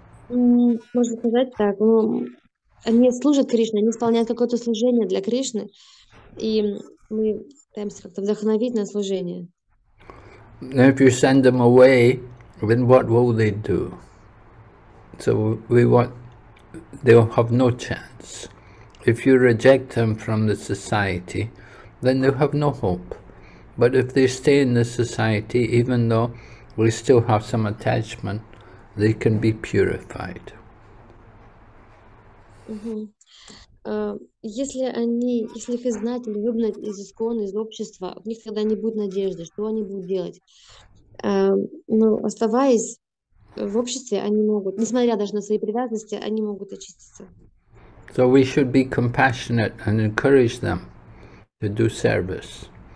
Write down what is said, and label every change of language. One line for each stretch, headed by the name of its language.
Russian: Можно сказать так, ну, они служат Кришне, они исполняют какое-то служение для Кришны, и мы пытаемся как-то вдохновить на служение.
English: Now, if you send them away, then what will they do? So we want, they'll have no chance. If you reject them from the society, then they'll have no hope. But if they stay in the society, even though we still have some attachment, they can be purified.
Russian: Если они, если их изгнать или выгнать из ИСКОН, из общества, у них тогда не будет надежды, что они будут делать. Но оставаясь в обществе, они могут, несмотря даже на свои привязанности, они могут очиститься.
English: So we should be compassionate and encourage them to do service.